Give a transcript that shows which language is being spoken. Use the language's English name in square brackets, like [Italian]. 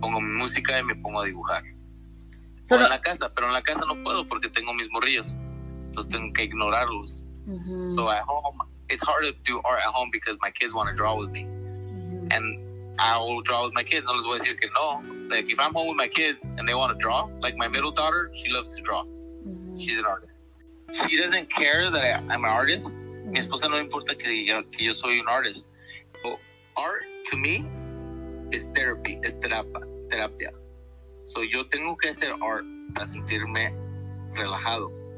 [Spanish] Pongo mi música y me pongo a dibujar. Pero, en la casa, pero en la casa no puedo porque tengo mis morrillos. Entonces tengo que ignorarlos. Mm-hmm. [English] So at home, it's hard to do art at home because my kids want to draw with me. Mm-hmm. And I will draw with my kids. [Spanish] No les voy a decir que no. [English] Like if I'm home with my kids and they want to draw, like my middle daughter, she loves to draw. Mm-hmm. She's an artist. She doesn't care that I'm an artist. Mm-hmm. [Spanish] Mi esposa no importa que yo soy un artist. [English] So art to me is therapy, [Spanish] es terapia. So yo tengo que hacer art para sentirme relajado.